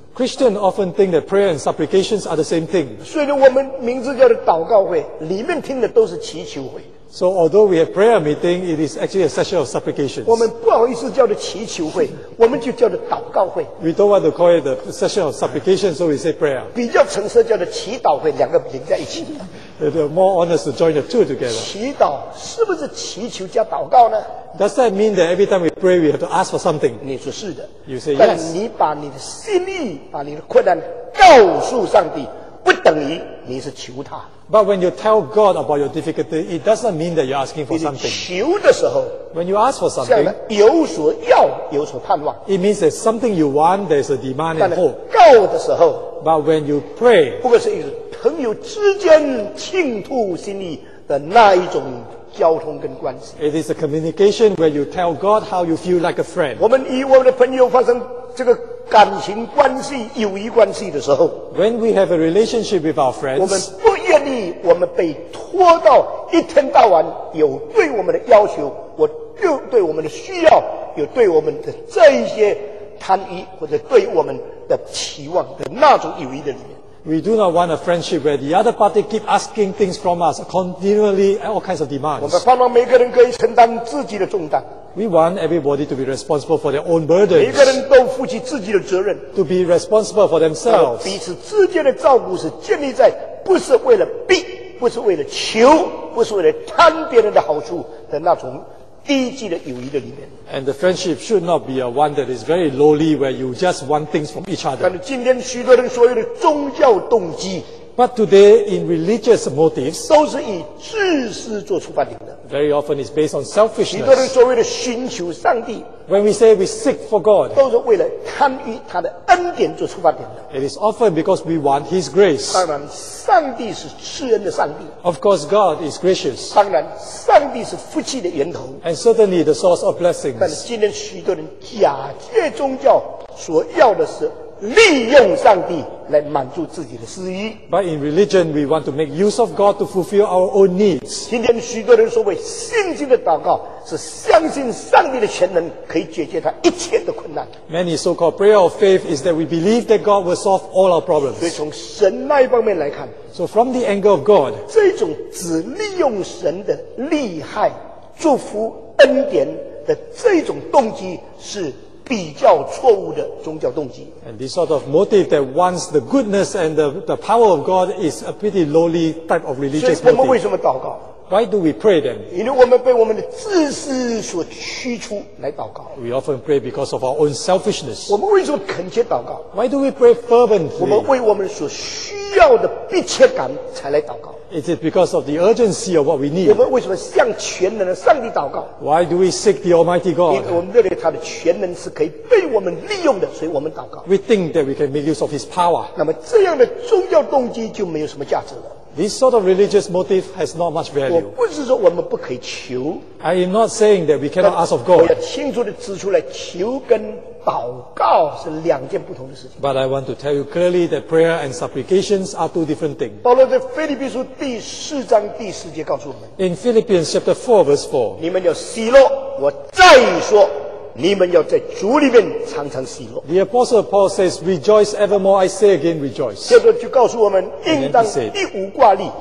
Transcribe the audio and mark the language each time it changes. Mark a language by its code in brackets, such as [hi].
[en] Christians often think that prayer and supplications are the same thing. [zh] 虽然我们名字叫做祷告会，里面听的都是祈求会。 [en] So although we have prayer meeting, it is actually a session of supplications. [zh] 我们不好意思叫做祈求会，我们就叫做祷告会。 [en] We don't want to call it a session of supplications, so we say prayer. [zh] 比较诚实叫做祈祷会，两个连在一起。 [en] They're more honest to join the two together. [zh] 祈祷是不是祈求加祷告呢？ [en] Does that mean that every time we pray, we have to ask for something? [zh] 你说是的。 [en] You say yes. [zh] 但你把你的心意、把你的困难告诉上帝，不等于你是求他。 [en] But when you tell God about your difficulty, it doesn't mean that you're asking for something. [zh] 你求的时候 [en] ，when you ask for something, [zh] 有所要，有所盼望。 [en] It means there's something you want, there's a demand and hope. [zh] 告的时候 [en] ，but when you pray, [zh] 不过是一个。朋友之间倾吐心意的那一种交通跟关系。 [en] It is a communication where you tell God how you feel like a friend. [zh] 我们与我们的朋友发生这个感情关系、友谊关系的时候 [en] ，When we have a relationship with our friends， [zh] 我们不愿意我们被拖到一天到晚有对我们的要求，我就对我们的需要，有对我们的这一些贪欲或者对我们的期望的那种友谊的里面。 [en] We do not want a friendship where the other party keep asking things from us continually, all kinds of demands. [zh] 我们盼望每个人可以承担自己的重担。 [en] We want everybody to be responsible for their own burdens. [zh] 每个人都负起自己的责任。 [en] To be responsible for themselves. [zh] 彼此之间的照顾是建立在不是为了逼，不是为了求，不是为了贪别人的好处的那种低级的友谊的里面。 [en] And the friendship should not be a one that is very lowly where you just want things from each other. [zh] 但是今天许多人所有的宗教动机 [en] But today in religious motives [zh] 都是以自私做出发点的 [en] Very often it's based on selfishness. [zh] 许多人所谓的寻求上帝 [en] When we say we seek for God [zh] 都是为了贪欲他的恩典做出发点的 [en] It is often because we want his grace. [zh] 当然上帝是施恩的上帝 [en] Of course God is gracious. [zh] 当然上帝是福气的源头 [en] And certainly the source of blessing. [zh] 但是今天许多人假借宗教所要的是利用上帝来满足自己的私欲。 [en] But in religion, we want to make use of God to fulfill our own needs. [zh] 今天许多人所谓信心的祷告，是相信上帝的全能可以解决他一切的困难。 [en] Many so-called prayer of faith is that we believe that God will solve all our problems. [zh] 所以从神那一方面来看 [en] ，So from the angle of God， [zh] 这种只利用神的厉害、祝福、恩典。的这种动机是比较错误的宗教动机。 [en] And this sort of motive that wants the goodness and the power of God is a pretty lowly type of religious motive. [zh] 所以我们为什么祷告 [en] ？Why do we pray then？ [zh] 因为我们被我们的自私所驱出来祷告。 [en] We often pray because of our own selfishness. [zh] 我们为什么恳切祷告 [en] ？Why do we pray fervently？ [zh] 我们为我们所需要的迫切感才来祷告。 [en] Is it because of the urgency of what we need? [zh] 我们为什么向全能的上帝祷告 [en] ？Why do we seek the Almighty God? [zh] 因为我们认为他的全能是可以被我们利用的，所以我们祷告。 [en] We think that we can make use of His power. [zh] 那么这样的宗教动机就没有什么价值了。 [en] This sort of religious motive has not much value. [zh] 我不是说我们不可以求。 [en] I am not saying that we cannot ask of God. [zh] 我要清楚地指出来，求跟祷告是两件不同的事情。 [en] But I want to tell you clearly that prayer and supplications are two different things. [zh] 保罗在腓立比书第四章第四节告诉我们。 [en] In Philippians chapter 4 verse 4. [zh] 你们要喜乐，我再说，你们要在主里面常常喜乐。 [en] The apostle Paul says, rejoice evermore, I say again rejoice. [zh] 接着就告诉我们应当一无挂虑。